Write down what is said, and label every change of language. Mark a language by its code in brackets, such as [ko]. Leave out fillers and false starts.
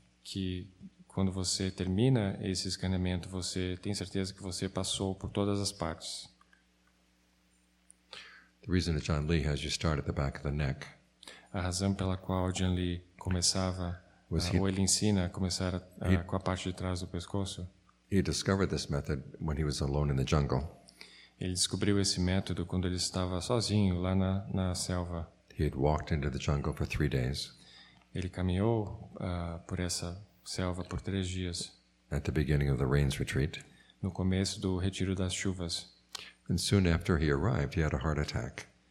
[pt] Que quando você termina esse escaneamento, você tem certeza que você passou por todas as partes. [en] The reason that John Lee has you start at the back of the neck. [pt] A razão pela qual John Lee começava, ou ele ensina a começar com a parte de trás do pescoço. [en] He discovered this method when he was alone in the jungle. [pt] Ele descobriu esse método quando ele estava sozinho lá na selva. [en] He had walked into the jungle for 3 days. [pt] Ele caminhou por essa selva por 3 dias. [en] At the beginning of the rains retreat. [pt] No começo do retiro das chuvas. [en] And soon after he arrived, he had a heart attack.